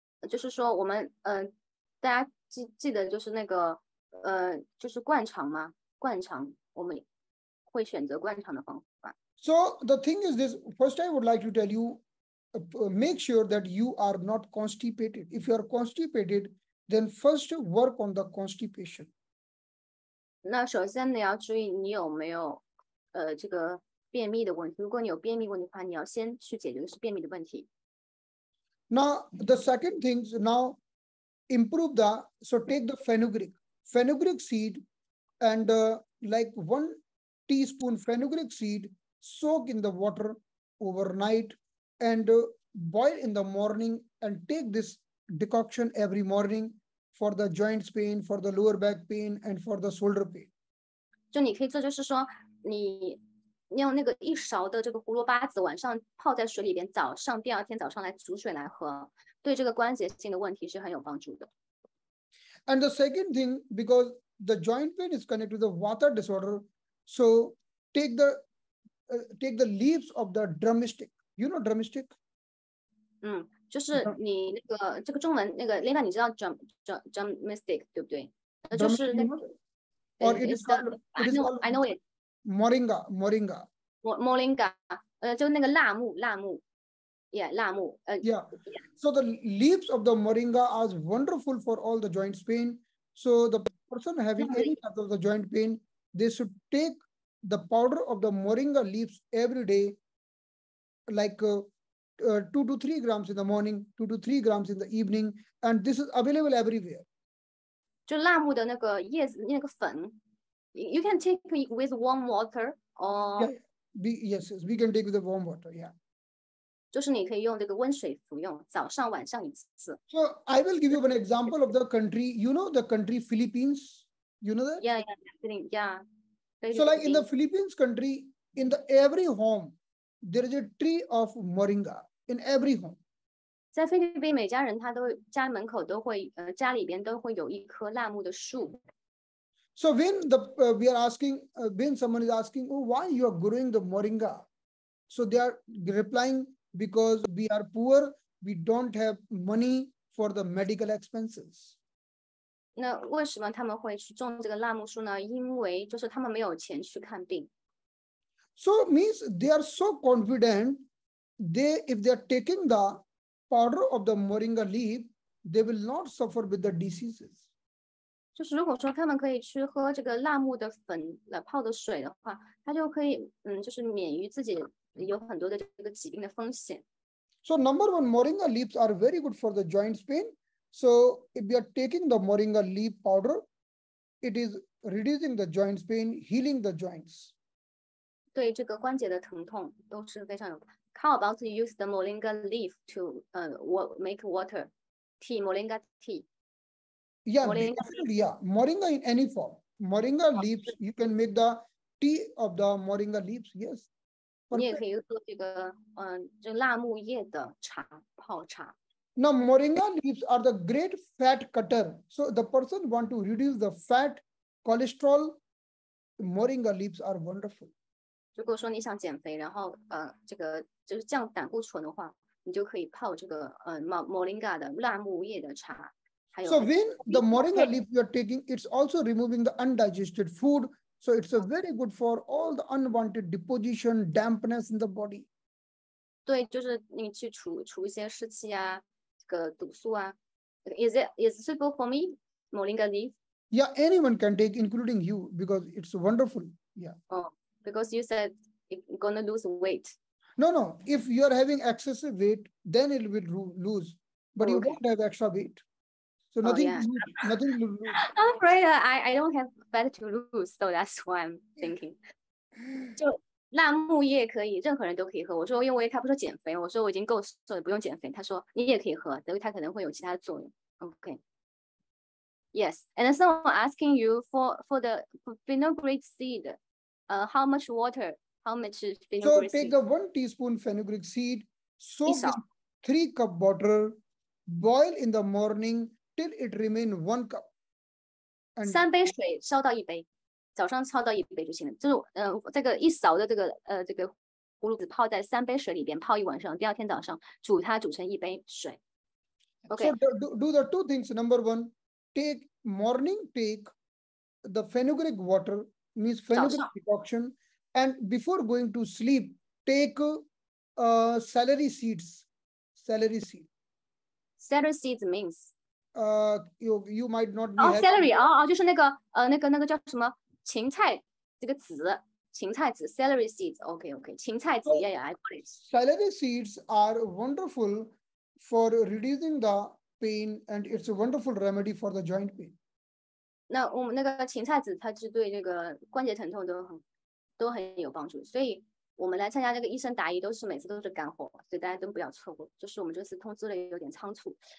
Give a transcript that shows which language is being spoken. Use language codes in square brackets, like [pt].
[zh] 就是说我们大家记得就是那个就是灌肠嘛，灌肠我们会选择灌肠的方法。 [en] So the thing is this, first I would like to tell you, make sure that you are not constipated. If you are constipated, then first work on the constipation. [zh] 那首先你要注意你有没有，这个便秘的问题。如果你有便秘问题的话，你要先去解决的是便秘的问题。 [en] Now, the second thing is now improve the, so take the fenugreek seed and like 1 teaspoon fenugreek seed soak in the water overnight and boil in the morning and take this decoction every morning for the joints pain, for the lower back pain, and for the shoulder pain. [zh] 就你可以做，就是说你用那个一勺的这个胡萝卜籽，晚上泡在水里边，早上第二天早上来煮水来喝，对这个关节性的问题是很有帮助的。 [en] And the second thing, because the joint pain is connected to the vata disorder, so take the leaves of the drumstick. You know drumstick? [zh] 就是你那个这个中文那个 Lina，你知道 drumstick 对不对？那就是那个。 [en] Drumstick, or [zh] 对， [en] it's the it is called I know it， moringa. [zh] Moringa，就那个辣木， [en] yeah， [zh] 辣木， [en] Yeah. So the leaves of the moringa are wonderful for all the joints pain. So the person having any type of the joint pain, they should take the powder of the moringa leaves every day, like 2 to 3 grams in the morning, 2 to 3 grams in the evening, and this is available everywhere. Just [zh] 辣木的那个叶子，那个粉。 [en] You can take it with warm water or， We can take the warm water. Yeah. [zh] 就是你可以用这个温水服用，早上晚上一次。 [en] So I will give you an example of the country. You know the country Philippines. You know that. So like in the Philippines country, in the every home, there is a tree of moringa in every home. [zh] 在菲律宾，每家人他都家门口都会，家里边都会有一棵辣木的树。 [en] So when we are asking, when someone is asking, oh, why you are growing the moringa? So they are replying because we are poor. We don't have money for the medical expenses. [zh] 那为什么他们会去种这个辣木树呢？因为就是他们没有钱去看病。 [en] So means they are so confident, they if they are taking the powder of the moringa leaf, they will not suffer with the diseases. [zh] 就是如果说他们可以去喝这个辣木的粉来泡的水的话，他就可以就是免于自己有很多的这个疾病的风险。 [en] So number one, moringa leaves are very good for the joints pain. So if we are taking the moringa leaf powder, it is reducing the joints pain, healing the joints. [zh] 对这个关节的疼痛都是非常有。 [en] How about to use the moringa leaf to make water tea, moringa tea, Yeah, moringa definitely. Yeah, moringa in any form. Moringa leaves, you can make the tea of the moringa leaves. Yes, leaf. [zh] 你也 [en] perfect. [zh] 可以做这个就辣木叶的茶泡茶。 [en] Now, moringa leaves are the great fat cutter. So the person want to reduce the fat, cholesterol, moringa leaves are wonderful. [zh] 如果说你想减肥，然后这个就是降胆固醇的话，你就可以泡这个Moringa 的辣木叶的茶，还有 [en] So when [zh] 绿 [en] the [zh] 茶 [en] moringa leaf you are taking, it's also removing the undigested food. So it's a very good for all the unwanted deposition, dampness in the body. [zh] 对，就是你去除一些湿气啊，这个毒素啊。 [en] Is it suitable for me, Moringa leaf? Yeah, anyone can take, including you, because it's wonderful. Yeah. Because you said you're gonna lose weight. No. If you are having excessive weight, then it will lose. But you don't have extra weight. So nothing will lose. I'm afraid I don't have fat to lose, so that's why I'm thinking. [zh] 就辣木叶可以，任何人都可以喝。我说，因为他不说减肥，我说我已经够瘦了，不用减肥。他说你也可以喝，等于他可能会有其他的作用。 [en] OK，Yes，and someone asking you for the fenugreek seed. How much water? How much So fenugreek take the seed? 1 teaspoon fenugreek seed, [zh] 一 [en] soak [zh] 勺。 [en] in 3 cup water, boil in the morning till it remain 1 cup, and [zh] 三杯水烧到一杯，早上烧到一杯就行了。就是这个一勺的这个葫芦籽泡在三杯水里边泡一晚上，第二天早上煮它煮成一杯水。 [en] OK。 So do the two things. Number one, take morning take the fenugreek water, means [zh] 早 [en] fenugreek [zh] 上， [en] decoction, and before going to sleep, take celery seeds. Celery seed. celery seeds means， You might not be having [zh] celery，就是那个叫什么芹菜这个籽，芹菜籽 celery seeds. [en] Okay, okay. [zh] 芹菜籽 [en] yeah, yeah, I got it. Celery seeds are wonderful for reducing the pain, and it's a wonderful remedy for the joint pain. [zh] 那我们那个芹菜籽，它是对这个关节疼痛都很有帮助，所以。我们来参加这个医生答疑都是每次都是干货，所以大家都不要错过，就是我们这次通知的有点仓促。